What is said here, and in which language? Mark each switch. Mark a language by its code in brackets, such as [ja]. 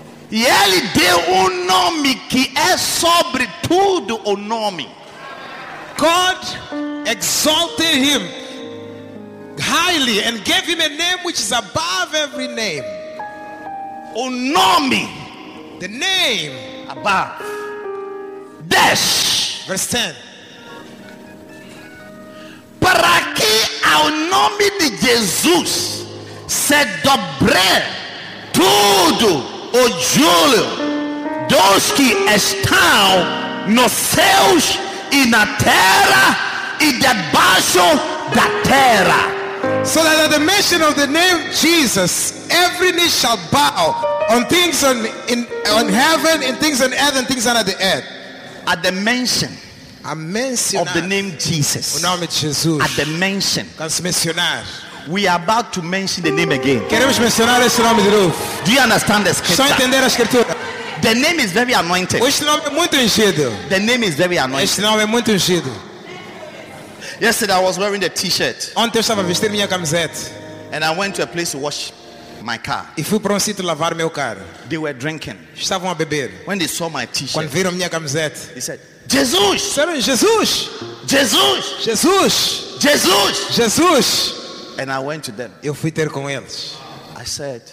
[pt] E ele deu nome que é sobre tudo o nome. [en] God exalted him highly and gave him a name which is above every name. [pt] O nome, [en] the name above. Dash. Verse 10. [pt] Para que ao nome de Jesus se dobre tudo o joelho dos que estão nos céus e na terra e debaixo da terra. [en] So that at the mention of the name Jesus, every knee shall bow on things on heaven, in things on earth, and things under the earth. At the mention of the name Jesus, [pt] o nome de Jesus. [en] At the mention, we are about to mention the name again. [pt] Queremos mencionar esse nome de novo. [en] Do you understand the scripture? [pt] Só entender a escritura. [en] The name is very anointed. [pt] Este nome é muito ungido. [en] The name is very anointed. [pt] Este nome é muito ungido. [en] Yesterday I was wearing the t-shirt. [pt] Ontem eu estava vestindo minha camiseta. [en] And I went to a place to worship. my car. [pt] E fui para um sítio lavar meu carro. [en] They were drinking. [pt] Estavam a beber. [en] When they saw my t-shirt. [pt] Quando viram minha camiseta. [en] They said, Jesus! [pt] Disseram, Jesus! Jesus! Jesus! Jesus! Jesus! [en] And I went to them. [pt] Eu fui ter com eles. [en] I said,